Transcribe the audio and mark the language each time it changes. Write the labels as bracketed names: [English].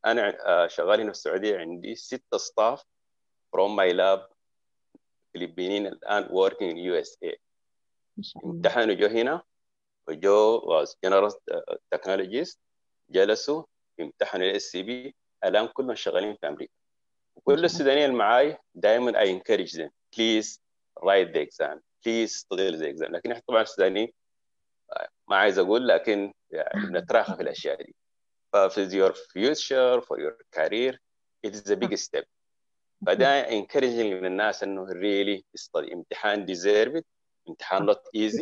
[Arabic] أنا شغال هنا في السعودية، عندي 6 [English] staff from my lab [Arabic] الفلبينيين الآن [English] working in USA. [Arabic] امتحانوا جو هنا وجو [English] was general technologist، [Arabic] جلسوا امتحانوا SCB، الآن كلنا شغالين في أمريكا. وكل السودانيين معاي دائما [English] I encourage them please write the exam، please study the exam. [Arabic] لكن احنا طبعا السودانيين ما عايز أقول، لكن يعني نتراخى في الأشياء دي. [English] For your future for your career it is the biggest step. [Arabic] فده encouraging للناس أنه [English] really study. امتحان deserve it. امتحان not easy.